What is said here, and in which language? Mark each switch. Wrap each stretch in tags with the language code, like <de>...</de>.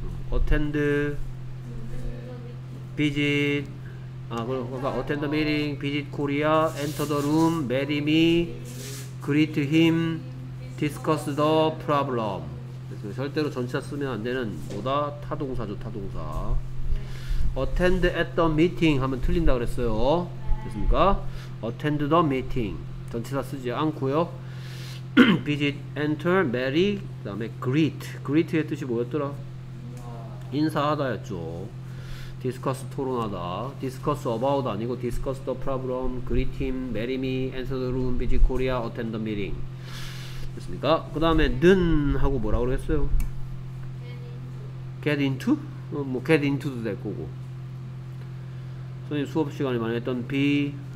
<en>attend visit 아 그러니까 attend meeting visit Korea enter the room meet me greet him discuss the problem.</en> <ko>그래서 절대로 전치사 쓰면 안 되는 뭐다? 타동사죠. 타동사.</ko> <en>attend at the meeting</en> <ko>하면 틀린다 그랬어요. 됐습니까? attend the meeting 전치사 쓰지 않고요. visit enter meet 그다음에 greet. greet의 뜻이 뭐였더라? 인사하다였죠. discuss 토론하다.</ko> <en>discuss about 아니고 discuss the problem, greet him, marry me, answer the room, visit Korea, attend the meeting.</en> <ko>됐습니까? 그 다음에 는 하고 뭐라고 그랬어요?</ko> <en>get into.</en> <ko>get into? 뭐 get into도 될 거고. 선생님 수업 시간에 많이 했던 be</ko>